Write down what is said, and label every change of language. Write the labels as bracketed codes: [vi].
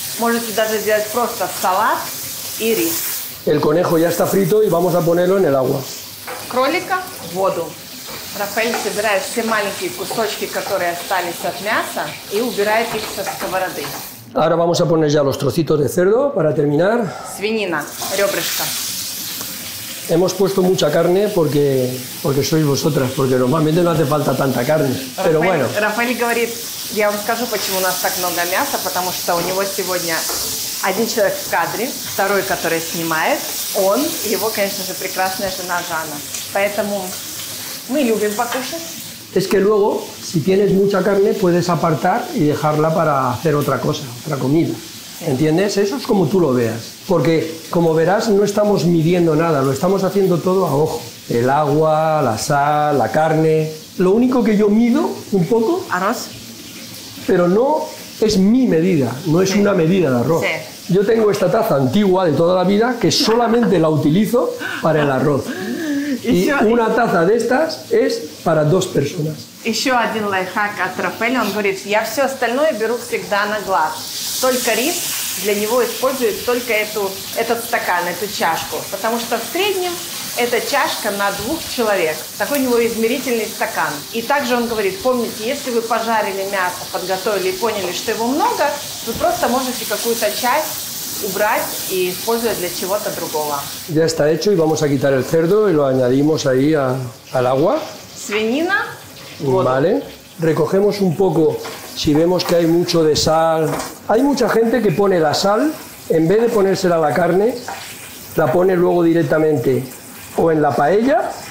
[ru] Можете даже сделать просто салат и рис. [es] El conejo ya está frito y vamos a ponerlo en el agua. [ru] Кролика – воду. Рафаэль собирает все маленькие кусочки, которые остались от мяса, и убирает их со сковороды. [es] Ahora vamos a poner ya los trocitos de cerdo para terminar. [ru] Свинина, ребрышко. [es] Hemos puesto mucha carne porque sois vosotras, porque normalmente no hace falta tanta carne, pero bueno. [ru] Рафаэль говорит, я вам скажу, почему у нас так много мяса, потому что у него сегодня один человек в кадре, второй, который снимает, он и его, конечно же, прекрасная жена Жанна. Поэтому мы любим покушать. [es] Es que luego, si tienes mucha carne, puedes apartar y dejarla para hacer otra cosa, otra comida. ¿Entiendes? Eso es como tú lo veas. Porque, como verás, no estamos midiendo nada, lo estamos haciendo todo a ojo. El agua, la sal, la carne... Lo único que yo mido, un poco... Arroz. Pero no es mi medida, no es una medida de arroz. Sí. Yo tengo esta taza antigua de toda la vida que solamente la utilizo para el arroz. Y una taza de estas es para dos personas. [ru] Еще один лайфхак от Рафаэля. Он говорит, я все остальное беру всегда на глаз. Только рис для него использует только этот стакан, эту чашку. Потому что в среднем эта чашка на двух человек. Такой у него измерительный стакан. И также он говорит, помните, если вы пожарили мясо, подготовили и поняли, что его много, вы просто можете какую-то часть убрать и использовать для чего-то другого. [es] Ya está hecho y vamos a quitar el cerdo y lo añadimos ahí al agua. [ru] Свинина. [es] Vale. Recogemos un poco, si vemos que hay mucho de sal. Hay mucha gente que pone la sal, en vez de ponérsela a la carne, la pone luego directamente o en la paella,